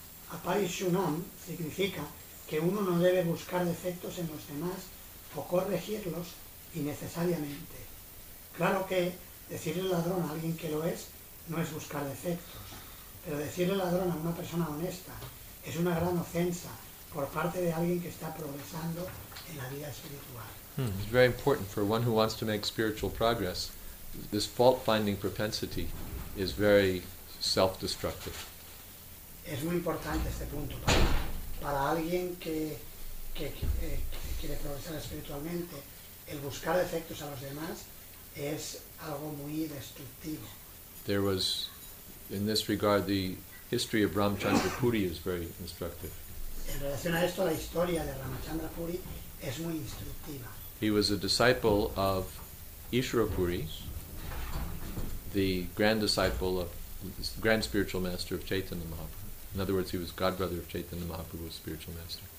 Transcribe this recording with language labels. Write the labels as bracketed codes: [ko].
[es] Apaishunam significa que uno no debe buscar defectos en los demás o corregirlos innecesariamente. Claro que decirle ladrón a alguien que lo es no es buscar defectos, pero decirle ladrón a una persona honesta es una gran ofensa por parte de alguien que está progresando en la vida espiritual. [en] It's very important for one who wants to make spiritual progress. This fault-finding propensity is very self-destructive. [es] Es muy importante este punto para alguien que quiere progresar espiritualmente. El buscar defectos a los demás es algo muy destructivo. [en] There was, in this regard, the history of Ramchandra Puri is very instructive. [es] En relación a esto, la historia de Ramchandra Puri es muy instructiva. [en] He was a disciple of Ishwarapuri, the grand disciple of the grand spiritual master of Chaitanya Mahaprabhu. In other words, he was godbrother of Chaitanya Mahaprabhu's spiritual master.